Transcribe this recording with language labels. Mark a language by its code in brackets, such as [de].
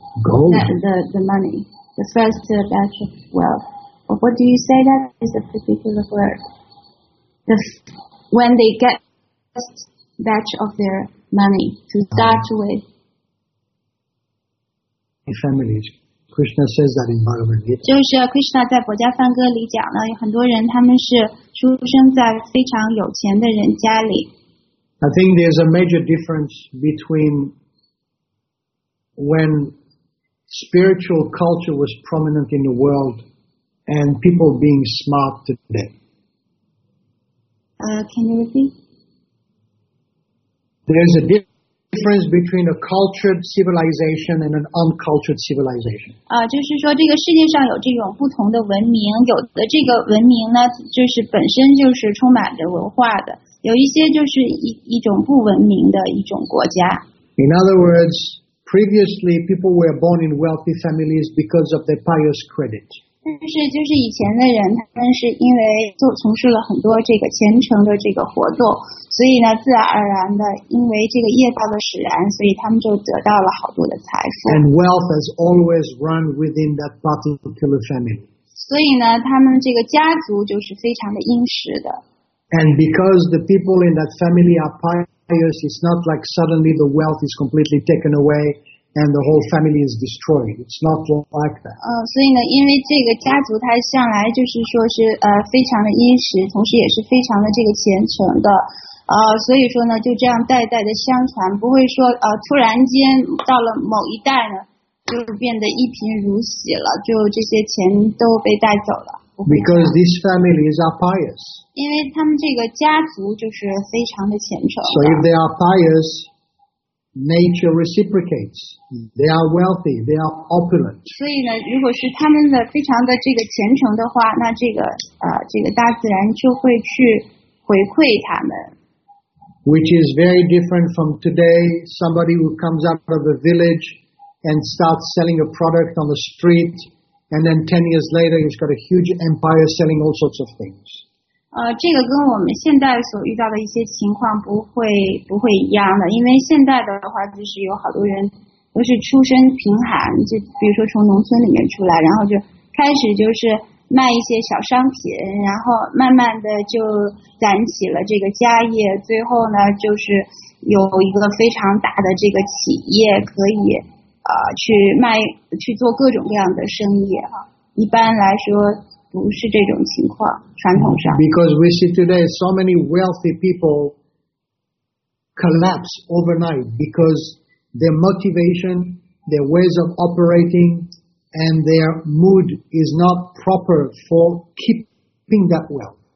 [en] Gold? The money, the first batch of wealth. What do you say that is a particular word? When they get the first batch of their money to start with. Families. Krishna says that in Bhagavad Gita. [zh] 就是 Krishna 在《佛家梵歌》里讲了，有很多人他们是出生在非常有钱的人家里。 [en] I think there's a major difference between when spiritual culture was prominent in the world. And people being smart today. Can you repeat? There's a difference between a cultured civilization and an uncultured civilization. [zh] 就是说这个世界上有这种不同的文明，有的这个文明呢，就是本身就是充满着文化的，有一些就是一种不文明的一种国家。 [en] In other words, previously people were born in wealthy families because of their pious credit. [zh] 就是以前的人，他们是因为做从事了很多这个虔诚的这个活动，所以呢，自然而然的，因为这个业报的使然，所以他们就得到了好多的财富。 [en] And wealth has always run within that particular family. [zh] 所以呢，他们这个家族就是非常的殷实的。 [en] And because the people in that family are pious, it's not like suddenly the wealth is completely taken away. And the whole family is destroyed. It's not like that. [zh] 所以呢，因为这个家族它向来就是说是非常的殷实，同时也是非常的这个虔诚的，所以说呢，就这样代代的相传，不会说突然间到了某一代呢，就变得一贫如洗了，就这些钱都被带走了。 [en] Because these families are pious. [zh] 因为他们这个家族就是非常的虔诚。 [en] So if they are pious. Nature reciprocates. They are wealthy. They are opulent. [zh] 所以呢，如果是他们的非常的这个虔诚的话，那这个这个大自然就会去回馈他们。 [en] Which is very different from today. Somebody who comes out of a village and starts selling a product on the street, and then 10 years later, he's got a huge empire selling all sorts of things. [zh] 这个跟我们现在所遇到的一些情况不会一样的，因为现在的话就是有好多人都是出身贫寒，就比如说从农村里面出来，然后就开始就是卖一些小商品，然后慢慢的就攒起了这个家业，最后呢就是有一个非常大的这个企业，可以去卖，去做各种各样的生意啊。一般来说不是这种情况，传统上。 [en] Because we see today so many wealthy people collapse overnight because their motivation, their ways of operating, and their mood is not proper for keeping that wealth.